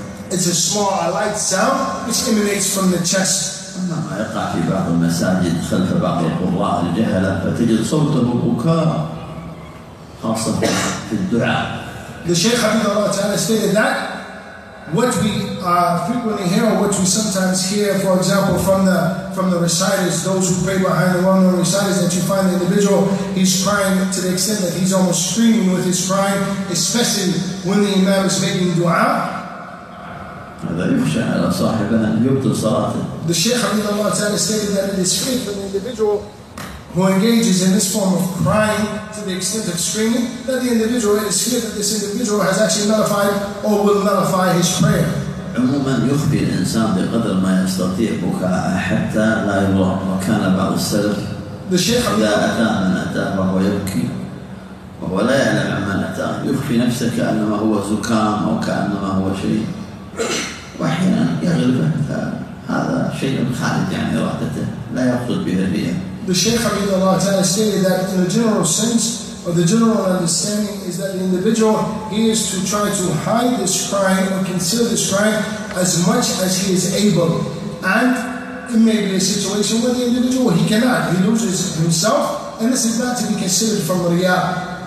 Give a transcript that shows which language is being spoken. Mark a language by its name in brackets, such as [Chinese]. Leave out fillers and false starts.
[English] It's a small, a light sound which emanates from the chest. [Arabic] أما ما يقع في بعض المساجد خلف بعض القراء الجهلة فتجد صوته بكاء خاصة في الدعاء. [English] The Shaykh Habibullah Ta'ala stated that what we frequently hear or what we sometimes hear, for example, from the reciters, those who pray behind the well-known reciters, that you find the individual, he's crying to the extent that he's almost screaming with his crying, especially when the imam is making dua. [Arabic] هذا يخشى على صاحبه أن يبطل صلاته. [English] The Shaykh Habibullah Ta'ala stated that it is fit for the individual who engages in this form of crying to the extent of screaming, that the individual is fit that this individual has actually nullified or will nullify his prayer. [Arabic] عموما يخفي الإنسان بقدر ما يستطيع بكاء حتى لا يراه وكان بعض السلف. للشيخ إذا أتى من أتاه وهو يبكي وهو لا يعلم عمن أتاه يخفي نفسه كأنما هو زكام أو كأنما هو شيء وأحيانا يغلبه فهذا شيء خارج عن إرادته لا يقصد به الرياء. [English] The Shaykh Hafidhullah Ta'ala stated that in a general sense, or the general understanding, is that the individual, he is to try to hide this crime or conceal this crime as much as he is able. And it may be a situation where the individual, he cannot, he loses himself, and this is not to be considered from riya.